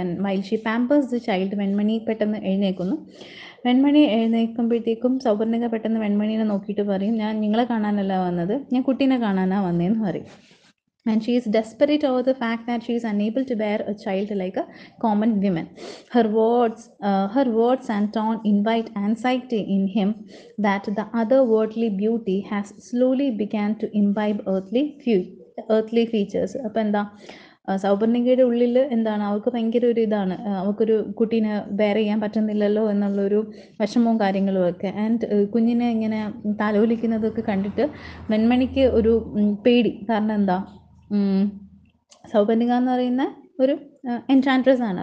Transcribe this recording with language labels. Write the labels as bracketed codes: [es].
[en] and while she pampers the child, [ml] Venmony പെട്ടെന്ന് എഴുന്നേൽക്കുന്നു. വെൺമണി എഴുന്നേൽക്കുമ്പോഴത്തേക്കും സൗപർണിക പെട്ടെന്ന് വെൺമണീനെ നോക്കിയിട്ട് പറയും, ഞാൻ നിങ്ങളെ കാണാനല്ല വന്നത്, ഞാൻ കുട്ടീനെ കാണാനാണ് വന്നതെന്ന് പറയും. [en] And she is desperate over the fact that she is unable to bear a child like a common woman. Her words and tone invite anxiety in him that the otherworldly beauty has slowly began to imbibe earthly features. [ml] Appa enda സൗപർണികയുടെ ഉള്ളിൽ എന്താണ്, അവൾക്ക് ഭയങ്കര ഒരു ഇതാണ്, അവൾക്കൊരു കുട്ടീനെ bear ചെയ്യാൻ പറ്റുന്നില്ലല്ലോ എന്നുള്ളൊരു വിഷമവും കാര്യങ്ങളും ഒക്കെ. ആൻഡ് കുഞ്ഞിനെ ഇങ്ങനെ തലോലിക്കുന്നതൊക്കെ കണ്ടിട്ട് വെൺമണിക്ക് ഒരു പേടി. കാരണം എന്താ, സൗപർണിക എന്ന് പറയുന്ന ഒരു എൻചാൻട്രസ് ആണ്.